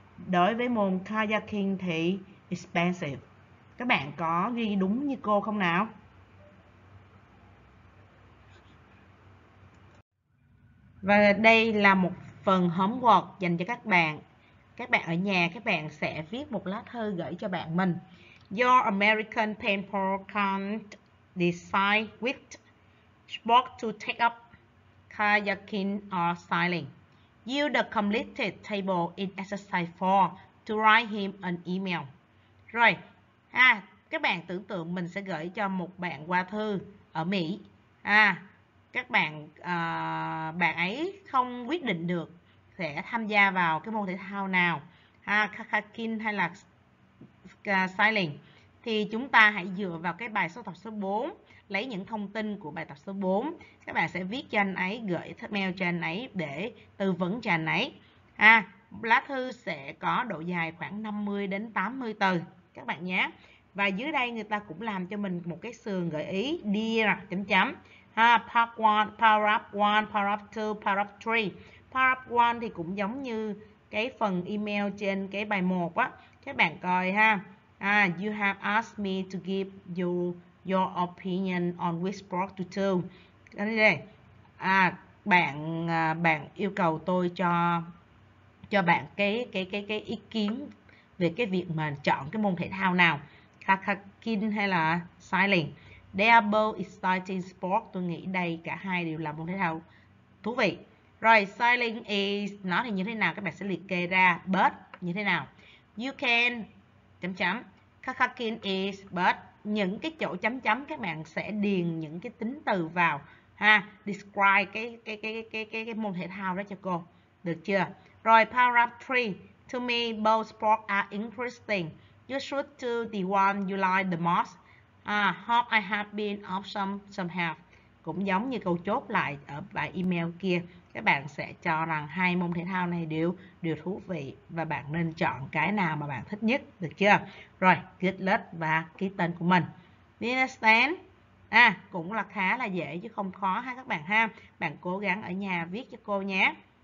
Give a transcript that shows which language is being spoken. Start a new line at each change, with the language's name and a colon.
Vietnamese: Đối với môn kayaking thì expensive. Các bạn có ghi đúng như cô không nào? Và đây là một phần homework dành cho các bạn. Các bạn ở nhà, các bạn sẽ viết một lá thư gửi cho bạn mình.
English: Your American paper can't decide which sport to take up, kayaking or sailing. Use the completed table in exercise 4 to write him an email.
Vietnamese: Rồi, ha, các bạn tưởng tượng mình sẽ gửi cho một bạn qua thư ở Mỹ. À, các bạn bạn ấy không quyết định được sẽ tham gia vào cái môn thể thao nào, ha, kayaking hay là sailing, thì chúng ta hãy dựa vào cái bài số tập số 4, lấy những thông tin của bài tập số 4, các bạn sẽ viết cho anh ấy, gửi email cho anh ấy để tư vấn cho anh ấy. Ha, lá thư sẽ có độ dài khoảng 50 đến 80 từ các bạn nhé. Và dưới đây người ta cũng làm cho mình một cái sườn gợi ý dear chấm chấm.
English: Ha, part 1, paragraph 1, paragraph 2, paragraph 3.
Vietnamese: Paragraph 1 thì cũng giống như cái phần email trên cái bài 1 á. Các bạn coi ha.
English: À, you have asked me to give you your opinion on which sport to do.
Vietnamese: Đây đây. À, bạn yêu cầu tôi cho bạn cái ý kiến về cái việc mà chọn cái môn thể thao nào.
English: Kayaking
Vietnamese: hay là
English: sailing. They are both exciting sports.
Vietnamese: Tôi nghĩ đây cả hai đều là môn thể thao thú vị. Rồi,
English: sailing is,
Vietnamese: nó thì như thế nào? Các bạn sẽ liệt kê ra, but như thế nào?
English: You can,
Vietnamese: chấm chấm,
English: kayaking is, but,
Vietnamese: những cái chỗ chấm chấm các bạn sẽ điền những cái tính từ vào, ha, describe cái môn thể thao đó cho cô, được chưa?
English: Rồi, paragraph 3, to me, both sports are interesting. You should do the one you like the most. Hope I have been of some help.
Vietnamese: Cũng giống như câu chốt lại ở bài email kia, các bạn sẽ cho rằng hai môn thể thao này đều thú vị và bạn nên chọn cái nào mà bạn thích nhất, được chưa? Rồi,
English: good luck
Vietnamese: và ký tên của mình.
English: Understand?
Vietnamese: À, cũng là khá là dễ chứ không khó ha các bạn ha. Bạn cố gắng ở nhà viết cho cô nhé.